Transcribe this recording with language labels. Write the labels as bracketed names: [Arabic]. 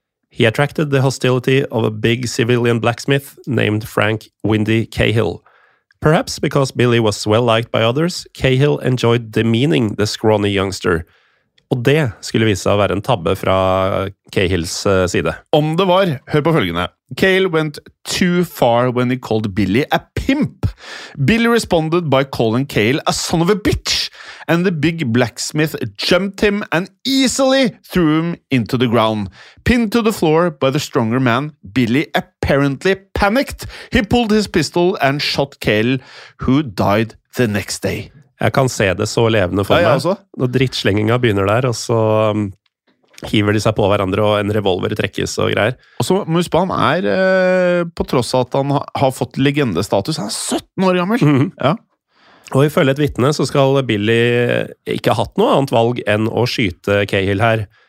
[English] He attracted the hostility of a big civilian blacksmith named Frank Windy Cahill. Perhaps because Billy was well liked by others, Cahill enjoyed demeaning the scrawny youngster. [Norwegian] Og det skulle vise seg å være en tabbe fra Cahills side. Om det var, hør på følgende. [English] Cahill went too far when he called Billy a pimp. Billy responded by calling Cahill a son of a bitch, and the big blacksmith jumped him and easily threw him into the ground. Pinned to the floor by the stronger man, Billy apparently panicked. He pulled his pistol and shot Cahill, who died the next day. [Norwegian] Jeg kan se det så levende for meg. Når drittslengingen begynner der, og så... hiver de seg på hverandre, og en revolver trekkes og greier. Og så må du spørre, han er, på tross av at han har fått legendestatus, han er 17 år gammel. Mm-hmm. Ja. Og ifølge et vittne så skal Billy ikke ha hatt noe annet valg enn å skyte Cahill her.